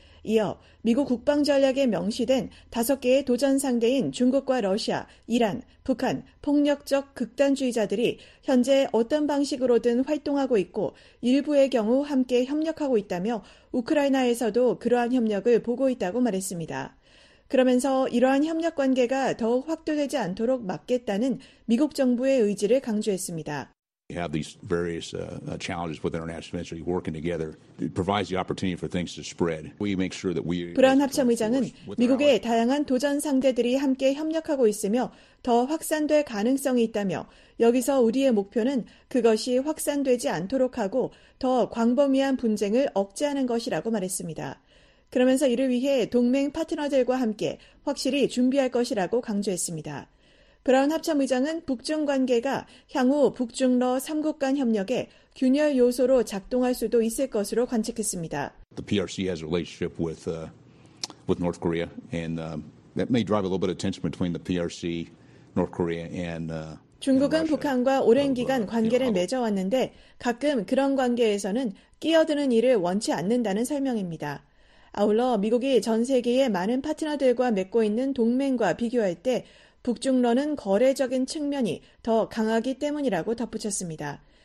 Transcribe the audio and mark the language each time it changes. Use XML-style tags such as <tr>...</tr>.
<ko>이어 미국 국방전략에 명시된 5개의 도전 상대인 중국과 러시아, 이란, 북한, 폭력적 극단주의자들이 현재 어떤 방식으로든 활동하고 있고 일부의 경우 함께 협력하고 있다며 우크라이나에서도 그러한 협력을 보고 있다고 말했습니다. 그러면서 이러한 협력 관계가 더욱 확대되지 않도록 막겠다는 미국 정부의 의지를 강조했습니다.</ko> <en>We have these various challenges with international industry working together. It provides the opportunity for things to spread. We make sure that we.</en> <ko>브라운 합참의장은 미국의 다양한 도전 상대들이 함께 협력하고 있으며 더 확산될 가능성이 있다며 여기서 우리의 목표는 그것이 확산되지 않도록 하고 더 광범위한 분쟁을 억제하는 것이라고 말했습니다. 그러면서 이를 위해 동맹 파트너들과 함께 확실히 준비할 것이라고 강조했습니다. 브라운 합참의장은 북중 관계가 향후 북중러 3국 간 협력에 균열 요소로 작동할 수도 있을 것으로 관측했습니다.</ko> <en>The PRC has a relationship with North Korea and that may drive a little bit of tension between the PRC, North Korea and</en> <ko>중국은 북한과 오랜 기간 관계를 맺어왔는데 가끔 그런 관계에서는 끼어드는 일을 원치 않는다는 설명입니다. 아울러 미국이 전 세계의 많은 파트너들과 맺고 있는 동맹과 비교할 때 북중러는 거래적인 측면이 더 강하기 때문이라고 덧붙였습니다.</ko>